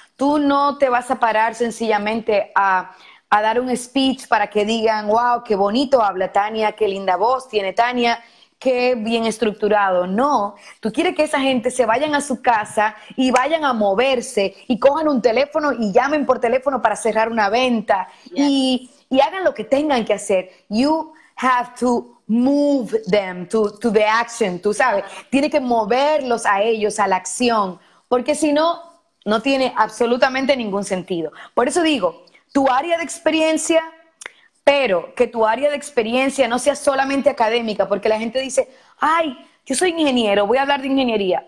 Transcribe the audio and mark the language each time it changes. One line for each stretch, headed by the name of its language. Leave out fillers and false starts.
Spanish: Tú no te vas a parar sencillamente a dar un speech para que digan, wow, qué bonito habla Tania, qué linda voz tiene Tania, qué bien estructurado. No, tú quieres que esa gente se vayan a su casa y vayan a moverse y cojan un teléfono y llamen por teléfono para cerrar una venta.
English: Yes.
Spanish: Y hagan lo que tengan que hacer.
English: You have to move them to the action,
Spanish: tú sabes. Tiene que moverlos a ellos, a la acción, porque si no, no tiene absolutamente ningún sentido. Por eso digo, tu área de experiencia, pero que tu área de experiencia no sea solamente académica, porque la gente dice, ay, yo soy ingeniero, voy a hablar de ingeniería.